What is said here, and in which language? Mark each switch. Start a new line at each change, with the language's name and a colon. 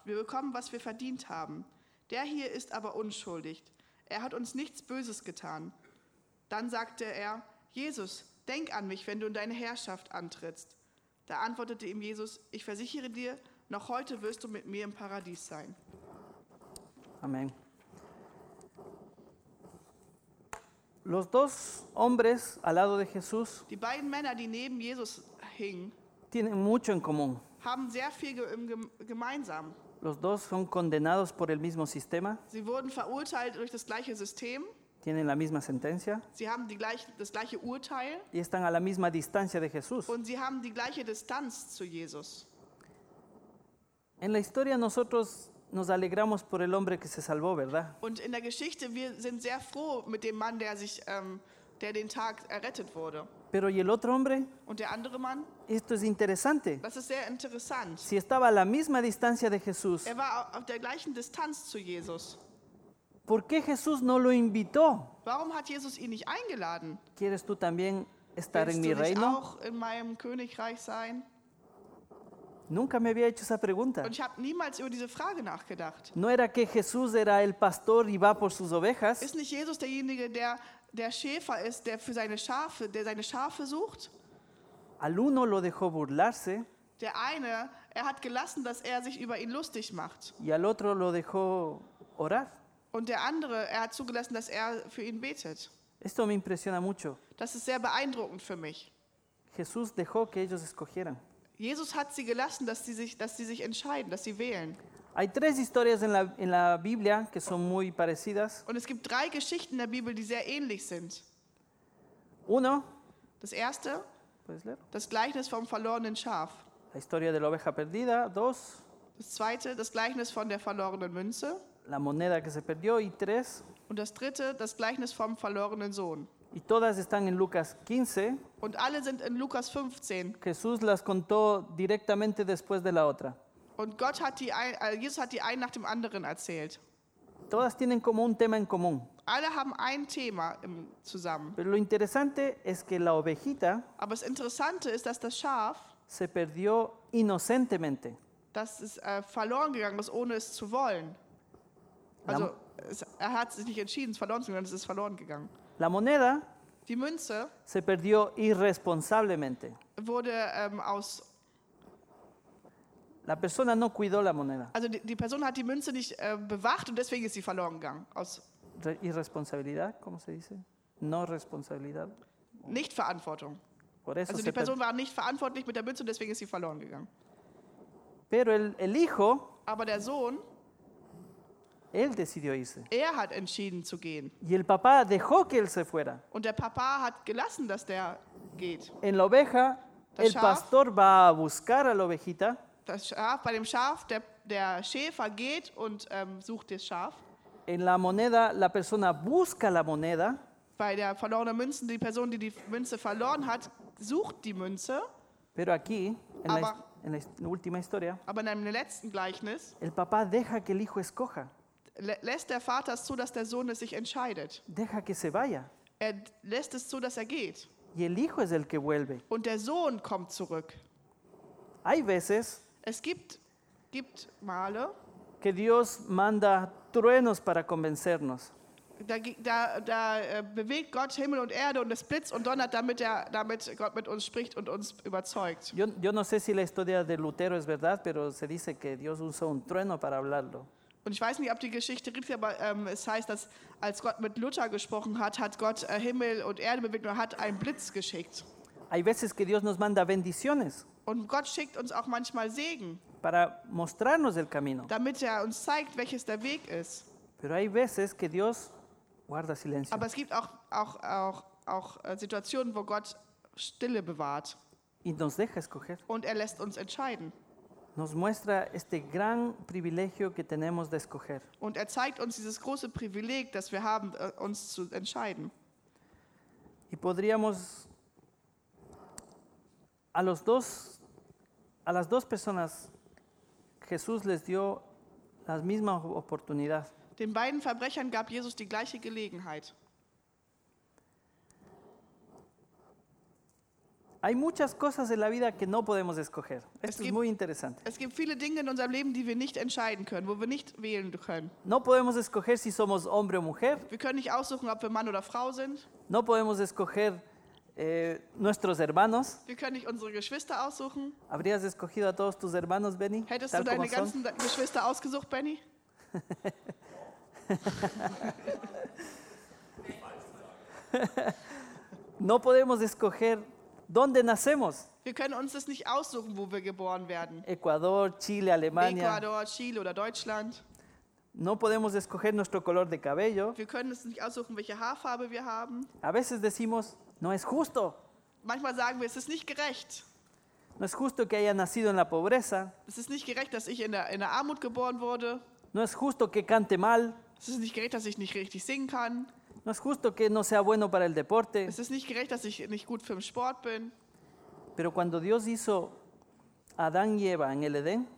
German: Wir bekommen, was wir verdient haben. Der hier ist aber unschuldig. Er hat uns nichts Böses getan. Dann sagte er: Jesus, denk an mich, wenn du in deine Herrschaft antrittst. Da antwortete ihm Jesus: Ich versichere dir, noch heute wirst du mit mir im Paradies sein. Amen.
Spanish: Los dos hombres al lado de Jesús,
German: die beiden Männer, die neben Jesus hingen,
Spanish: tienen mucho en común.
German: Haben sehr viel gemeinsam.
Spanish: Los dos son condenados por el mismo sistema.
German: Sie wurden verurteilt durch das gleiche System.
Spanish: Tienen la misma sentencia.
German: Sie haben das gleiche Urteil.
Spanish: Y están a la misma distancia de Jesús.
German: Und sie haben die gleiche Distanz zu Jesus.
Spanish: En la historia nosotros nos alegramos por el hombre que se salvó, ¿verdad?
German: Und in der Geschichte wir sind sehr froh mit dem Mann, der sich der den Tag errettet wurde.
Spanish: Pero y el otro hombre?
German: Und der andere Mann?
Spanish: Esto es interesante.
German: Das ist sehr interessant.
Spanish: Si estaba a la misma distancia de Jesús.
German: Er war auf der gleichen Distanz zu Jesus.
Spanish: ¿Por qué Jesús no lo invitó?
German: Warum hat Jesus ihn nicht eingeladen?
Spanish: ¿Quieres tú también estar
German: Willst
Spanish: en mi reino?
German: Auch in meinem Königreich sein?
Spanish: Nunca me había hecho esa pregunta.
German: Und ich habe niemals über diese Frage nachgedacht.
Spanish: No era que Jesús era el pastor y va por sus ovejas.
German: Ist nicht Jesus derjenige, der Schäfer ist, der für seine Schafe, der seine Schafe sucht?
Spanish: Al uno lo dejó burlarse.
German: Der eine, er hat gelassen, dass er sich über ihn lustig macht.
Spanish: Y al otro lo dejó orar.
German: Und der andere, er hat zugelassen, dass er für ihn betet.
Spanish: Esto me impresiona mucho.
German: Das ist sehr beeindruckend für mich.
Spanish: Jesús dejó que ellos escogieran.
German: Jesus hat sie gelassen, dass sie sich entscheiden, dass sie wählen.
Spanish: Hay tres historias en la Biblia que son muy parecidas.
German: Und es gibt drei Geschichten in der Bibel, die sehr ähnlich sind.
Spanish: Uno.
German: Das erste. Das Gleichnis vom verlorenen Schaf.
Spanish: La historia de la oveja perdida. Dos.
German: Das zweite, das Gleichnis von der verlorenen Münze.
Spanish: La moneda que se perdió. Y tres.
German: Und das dritte, das Gleichnis vom verlorenen Sohn.
Spanish: Y todas están en Lucas 15.
German: Und alle sind in Lukas 15.
Spanish: Jesús las contó directamente después de la otra.
German: Und Gott hat die Jesus hat die einen nach dem anderen erzählt.
Spanish: Todas tienen como un tema en común.
German: Alle haben ein Thema zusammen.
Spanish: Pero lo interesante es que la ovejita.
German: Aber das Interessante ist, dass das Schaf.
Spanish: Se perdió inocentemente.
German: Das ist verloren gegangen, ist ohne es zu wollen. Also er hat sich nicht entschieden, es verloren zu gehen, es ist verloren gegangen.
Spanish: La moneda.
German: Die Münze.
Spanish: Se perdió irresponsablemente.
German: Wurde aus.
Spanish: La persona no cuidó la moneda.
German: Also die Person hat die Münze nicht bewacht und deswegen ist sie verloren gegangen. Aus
Spanish: irresponsabilidad, ¿cómo se dice? No responsabilidad.
German: Nicht Verantwortung.
Spanish: Por eso
German: also die Person war nicht verantwortlich mit der Münze und deswegen ist sie verloren gegangen.
Spanish: Pero el hijo.
German: Aber der Sohn.
Spanish: Él decidió irse.
German: Er hat entschieden zu gehen.
Spanish: Y el papá dejó que él se fuera.
German: Und der Papa hat gelassen, dass der geht.
Spanish: En la oveja, el pastor va a buscar a la ovejita.
German: Das Schaf, bei dem Schaf, der Schäfer geht und sucht das Schaf.
Spanish: En la moneda, la persona busca la moneda.
German: Bei der verlorenen Münze, die Person, die Münze verloren hat, sucht die Münze.
Spanish: Pero aquí, en la última historia,
German: aber in einem letzten Gleichnis,
Spanish: el papá deja que el hijo escoja.
German: Lässt der Vater es zu, dass der Sohn es sich entscheidet.
Spanish: Deja que se vaya.
German: Er lässt es zu, dass er geht.
Spanish: Y el hijo es el que vuelve.
German: Und der Sohn kommt zurück.
Spanish: Hay veces,
German: es gibt Male,
Spanish: que Dios manda truenos para convencernos.
German: Da bewegt Gott Himmel und Erde und es blitzt und donnert, damit Gott mit uns spricht und uns überzeugt.
Spanish: Yo no sé si la historia de Lutero es verdad, pero se dice que Dios usó un trueno para hablarlo.
German: Und ich weiß nicht, ob die Geschichte richtig, aber es heißt, dass als Gott mit Luther gesprochen hat, hat Gott Himmel und Erde bewegt und hat einen Blitz geschickt.
Spanish: Hay veces que Dios nos manda bendiciones.
German: Und Gott schickt uns auch manchmal Segen.
Spanish: Para mostrarnos el camino.
German: Damit er uns zeigt, welches der Weg ist.
Spanish: Pero hay veces que Dios guarda silencio.
German: Aber es gibt auch Situationen, wo Gott Stille bewahrt.
Spanish: Y nos deja escoger.
German: Und er lässt uns entscheiden.
Spanish: Nos muestra este gran privilegio que tenemos de escoger.
German: Und er zeigt uns dieses große Privileg, das wir haben, uns zu entscheiden.
Spanish: Y podríamos a las dos personas Jesús les dio la misma oportunidad.
German: Den beiden Verbrechern gab Jesus die gleiche Gelegenheit.
Spanish: Hay muchas cosas en la vida que no podemos escoger. Esto es muy interesante.
German: Es gibt viele Dinge in unserem Leben, die wir nicht entscheiden können, wo wir nicht wählen können.
Spanish: No podemos escoger si somos hombre o mujer.
German: Wir können nicht aussuchen, ob wir Mann oder Frau sind.
Spanish: No podemos escoger nuestros hermanos.
German: Wir können nicht unsere Geschwister aussuchen.
Spanish: ¿Habrías escogido a todos tus hermanos, Benny?
German: Hättest du deine ganzen Geschwister ausgesucht, Benny?
Spanish: No podemos escoger dónde nacemos.
German: Wir können uns das nicht aussuchen, wo wir geboren werden.
Spanish: Ecuador, Chile, Alemania.
German: Ecuador, Chile oder Deutschland.
Spanish: No podemos escoger nuestro color de cabello.
German: Wir können uns nicht aussuchen, welche Haarfarbe wir haben.
Spanish: A veces decimos, no es justo.
German: Manchmal sagen wir, es ist nicht gerecht.
Spanish: No es justo que haya nacido en la pobreza.
German: Es ist nicht gerecht, dass ich in der Armut geboren wurde.
Spanish: No es justo que cante mal.
German: Es ist nicht gerecht, dass ich nicht richtig singen kann.
Spanish: No es justo que no sea bueno para el deporte.
German: Es ist nicht gerecht, dass ich nicht gut für den Sport bin.
Spanish: Pero cuando Dios hizo Adán y Eva en el Edén,